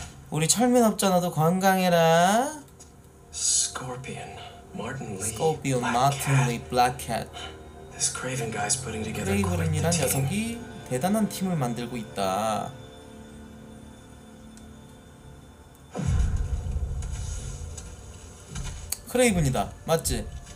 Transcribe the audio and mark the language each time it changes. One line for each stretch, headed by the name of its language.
Korean: 우리 천민업자나도 건강해라.
English: Scorpion, Martin Lee, Scorpion, Martin Lee, Black Cat. This Craven guy's putting together quite the team.
Korean: 이란 녀석이 대단한 팀을 만들고 있다. Craven이다, 맞지?